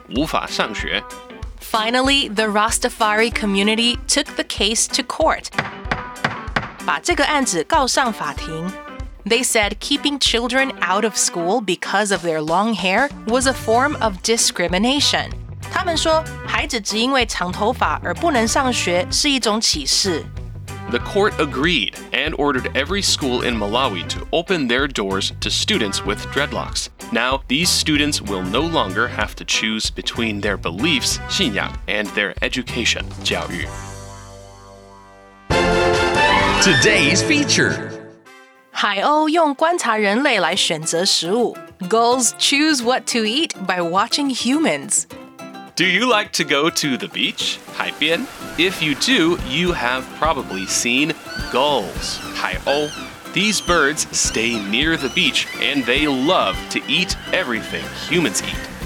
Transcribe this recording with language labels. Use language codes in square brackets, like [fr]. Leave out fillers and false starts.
[zh] 无法上学. [en] Finally, the Rastafari community took the case to court. [zh] 把这个案子告上法庭. [en] They said keeping children out of school because of their long hair was a form of discrimination. [zh] 他们说孩子只因为长头发而不能上学是一种歧视。 [en] The court agreed and ordered every school in Malawi to open their doors to students with dreadlocks. Now, these students will no longer have to choose between their beliefs, [zh] 信仰, [en] and their education, 教育. Today's feature. [zh] 海鸥用观察人类来选择食物. [en] Gulls choose what to eat by watching humans. Do you like to go to the beach? [zh] 海边? [en] If you do, you have probably seen gulls, [zh] 海鸥. [en] These birds stay near the beach, and they love to eat everything humans eat.